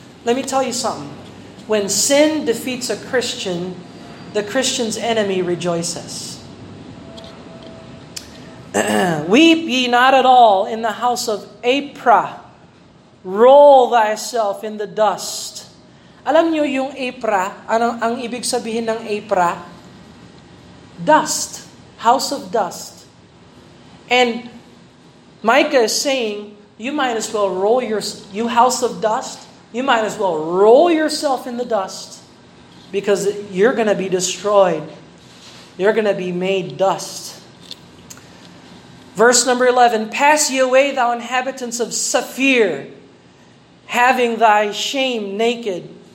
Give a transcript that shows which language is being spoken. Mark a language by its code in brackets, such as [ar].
[en] Let me tell you something. When sin defeats a Christian, the Christian's enemy rejoices. Weep ye not at all in the house of Aprah. Roll thyself in the dust. [tl] Alam niyo yung Aprah, ang ibig sabihin ng Aprah? [en] Dust. House of dust. And Micah is saying, you might as well roll you house of dust. You might as well roll yourself in the dust because you're going to be destroyed. You're going to be made dust. Verse number 11, Pass ye away, thou inhabitants of Saphir, having thy shame naked.